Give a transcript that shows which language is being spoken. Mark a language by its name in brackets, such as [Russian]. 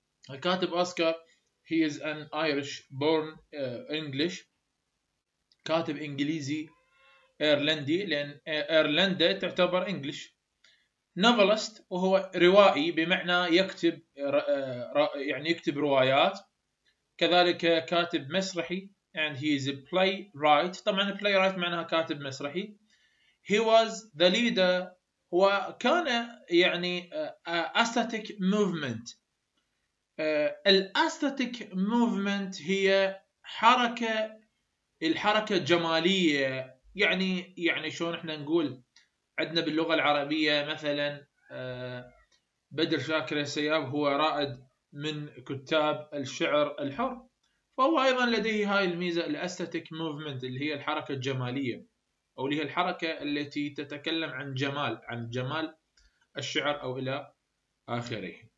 [Arabic] الكاتب اوسكار [English] he is an Irish born English, [Arabic] كاتب انجليزي ايرلندي، لان ايرلندا تعتبر انجلش. نوفلست وهو روائي، بمعنى يكتب يعني يكتب روايات. كذلك كاتب مسرحي، [English] and he is a playwright. [Arabic] طبعا playwright معناها كاتب مسرحي. [English] He was the leader، [Arabic] هو كان يعني [English] aesthetic movement. [Arabic] الaesthetic movement هي حركة، الحركة الجمالية، يعني شلون احنا نقول عندنا باللغة العربية مثلا بدر شاكر السياب هو رائد من كتاب الشعر الحر، فهو أيضا لديه هاي الميزة الأستاتيك موفمنت اللي هي الحركة الجمالية، أو اللي هي الحركة التي تتكلم عن جمال، عن جمال الشعر أو إلى آخره.